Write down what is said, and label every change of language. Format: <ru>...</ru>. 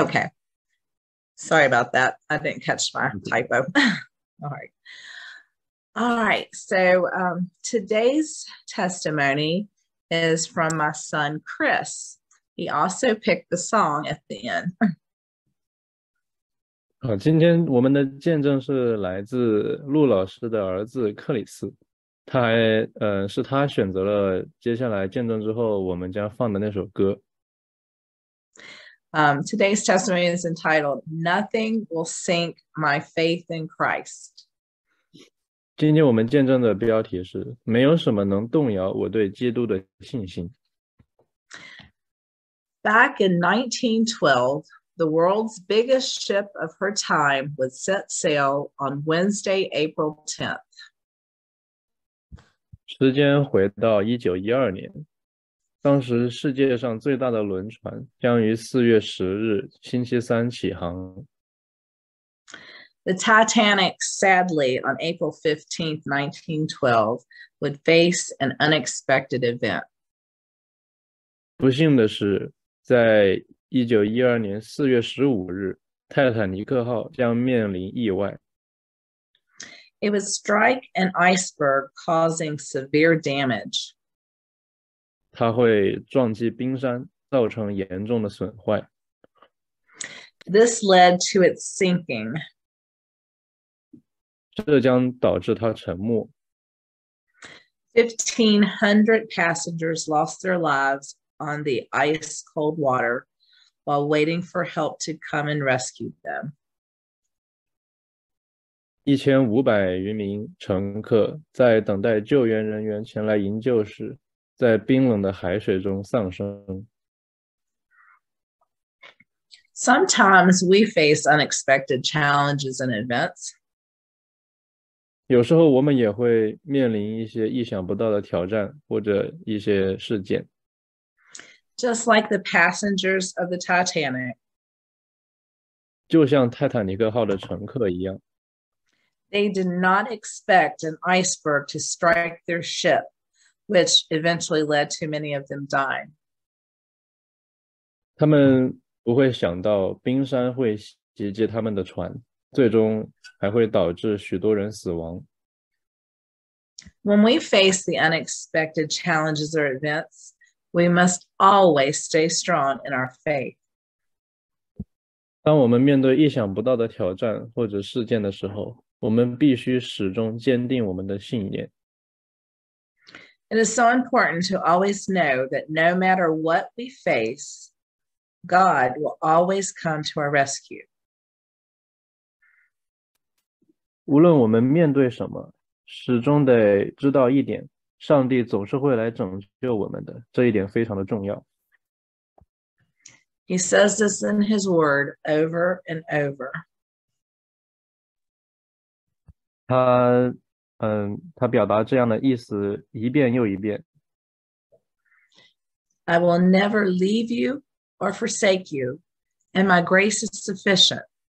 <en>okay. Sorry about that. I didn't catch my Okay. typo. All right. So, today's testimony is from my son Chris. He also picked the song at the end.</en> <zh>今天我们的见证是来自陆老师的儿子克里斯，他还是他选择了接下来见证之后我们将放的那首歌。</zh> <en>Today's testimony is entitled Nothing Will Sink My Faith in Christ.</en> <zh>今天我们见证的标题是"没有什么能动摇我对基督的信心"。</zh> <en>Back in 1912, the world's biggest ship of her time would set sail on Wednesday, April 10th.</en> <zh>时间回到1912年，当时世界上最大的轮船将于4月10日星期三起航。</zh> <en>The Titanic, sadly, on April 15th, 1912, would face an unexpected event.</en> <zh>不幸的是，在1912年4月15日，泰坦尼克号将面临意外。</zh> <en>It would strike an iceberg, causing severe damage.</en> <zh>它会撞击冰山，造成严重的损坏。</zh> <en>This led to its sinking.</en> <zh>这将导致它沉没。</zh> <en>1,500 passengers lost their lives on the ice cold water while waiting for help to come and rescue them.</en> <zh>1,500余名乘客在等待救援人员前来营救时，在冰冷的海水中丧生。</zh> <en>Sometimes we face unexpected challenges and events.</en> <zh>有时候我们也会面临一些意想不到的挑战或者一些事件。</zh> <en>Just like the passengers of the Titanic,</en> <zh>就像泰坦尼克号的乘客一样。</zh> <en>they did not expect an iceberg to strike their ship, which eventually led to many of them dying.</en> <zh>他们不会想到冰山会袭击他们的船，最终还会导致许多人死亡。</zh> <en>When we face the unexpected challenges or events, we must always stay strong in our faith.</en> <zh>当我们面对意想不到的挑战或者事件的时候，我们必须始终坚定我们的信念。</zh> <en>It is so important to always know that no matter what we face, God will always come to our rescue.</en> <zh>无论我们面对什么，始终得知道一点，上帝总是会来拯救我们的，这一点非常的重要。</zh> <en>He says this in his word over and over.</en> <zh>他表达这样的意思一遍又一遍。</zh> <en>I will never leave you or forsake you, and my grace is sufficient.</en>